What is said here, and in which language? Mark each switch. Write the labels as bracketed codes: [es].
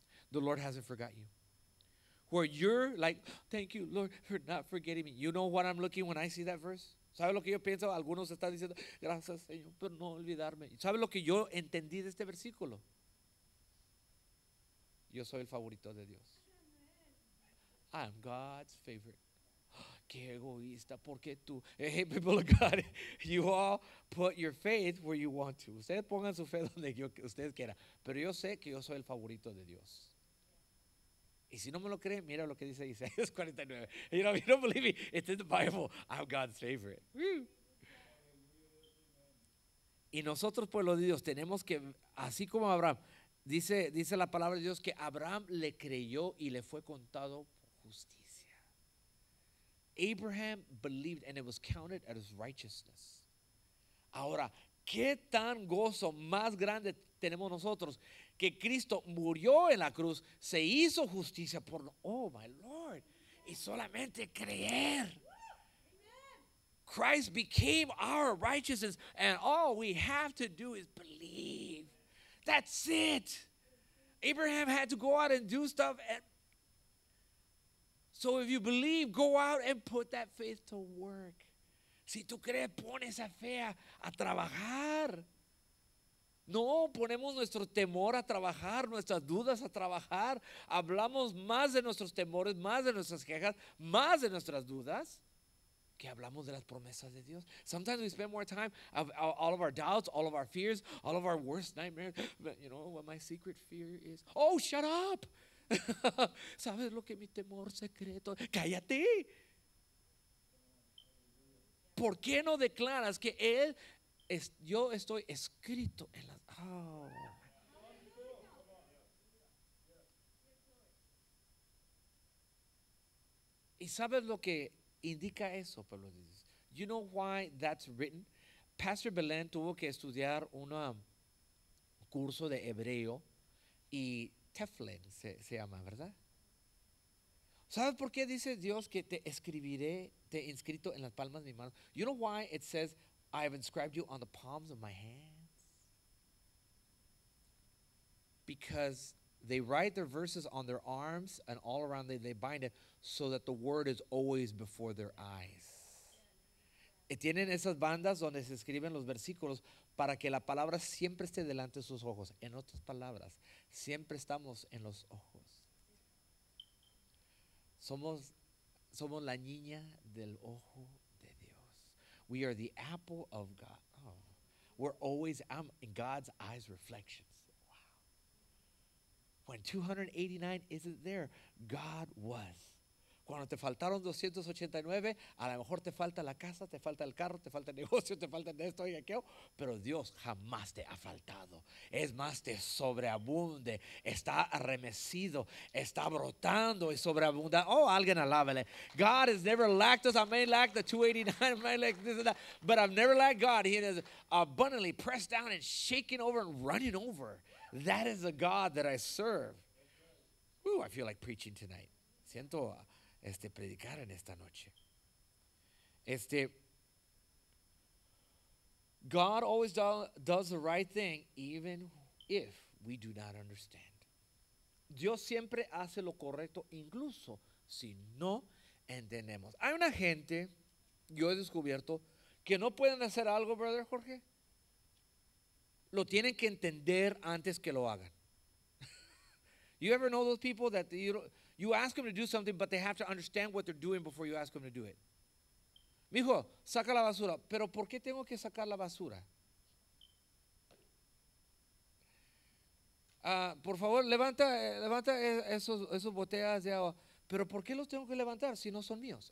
[en] The Lord hasn't forgot you. Where you're like, thank you, Lord, for not forgetting me. You know what I'm looking when I see that verse? [es] ¿Sabe lo que yo pienso? Algunos están diciendo, gracias, Señor, por no olvidarme. ¿Sabe lo que yo entendí de este versículo? Yo soy el favorito de Dios. [en] I'm God's favorite. [es] qué egoísta, porque tú. [en] Hey, people of God, you all put your faith where you want to. [es] Ustedes pongan su fe donde ustedes quieran. Pero yo sé que yo soy el favorito de Dios. Y si no me lo creen, mira lo que dice Isaías 49. [en] You know, if you don't believe me, it's in the Bible. I'm God's favorite. Woo. [es] Y nosotros, pueblo de Dios, tenemos que, así como Abraham, dice la palabra de Dios que Abraham le creyó y le fue contado justicia. [en] Abraham believed and it was counted as righteousness. [es] Ahora, ¿qué tan gozo más grande tenemos nosotros? Que Cristo murió en la cruz, se hizo justicia por, [en] oh my Lord, [es] y solamente creer. [en] Christ became our righteousness, and all we have to do is believe. That's it. Abraham had to go out and do stuff. And so if you believe, go out and put that faith to work. [es] Si tú crees, pon esa fe a trabajar. No, ponemos nuestro temor a trabajar, nuestras dudas a trabajar. Hablamos más de nuestros temores, más de nuestras quejas, más de nuestras dudas. Que hablamos de las promesas de Dios. [en] Sometimes we spend more time of all of our doubts, all of our fears, all of our worst nightmares. But you know what my secret fear is? Oh, shut up! [es] ¿Sabes lo que mi temor secreto? ¡Cállate! ¿Por qué no declaras que Él es, yo estoy escrito en las... Oh. ¿Y sabes lo que indica eso, pueblo de Dios? [en] You know why that's written? [es] Pastor Belén tuvo que estudiar un curso de hebreo y Teflén se llama, ¿verdad? ¿Sabes por qué dice Dios que te escribiré, te he inscrito en las palmas de mi mano? [en] You know why it says I have inscribed you on the palms of my hands? Because they write their verses on their arms and all around they bind it so that the word is always before their eyes. [es] Y tienen esas bandas donde se escriben los versículos para que la palabra siempre esté delante de sus ojos. En otras palabras, siempre estamos en los ojos. Somos la niña del ojo de Dios. [en] We are the apple of God. Oh. We're always in God's eyes reflection. When 289 isn't there, God was. [es] Cuando te faltaron 289, a lo mejor te falta la casa, te falta el carro, te falta el negocio, te falta esto y aquello, pero Dios jamás te ha faltado. Es más, te sobreabunde, está arremecido, está brotando y sobreabunda. Oh, alguien alábele. [en] God has never lacked us. I may lack the 289, I may lack this and that, but I've never lacked God. He is abundantly pressed down and shaking over and running over. That is a God that I serve. Ooh, I feel like preaching tonight. [es] Siento predicar en esta noche. [en] God always does the right thing, even if we do not understand. [es] Dios siempre hace lo correcto, incluso si no entendemos. Hay una gente, yo he descubierto, que no pueden hacer algo, brother Jorge. Lo tienen que entender antes que lo hagan. [en] You ever know those people that you ask them to do something, but they have to understand what they're doing before you ask them to do it? [es] Mijo, saca la basura. Pero ¿por qué tengo que sacar la basura? Por favor, levanta esos botellas de agua. Pero ¿por qué los tengo que levantar si no son míos?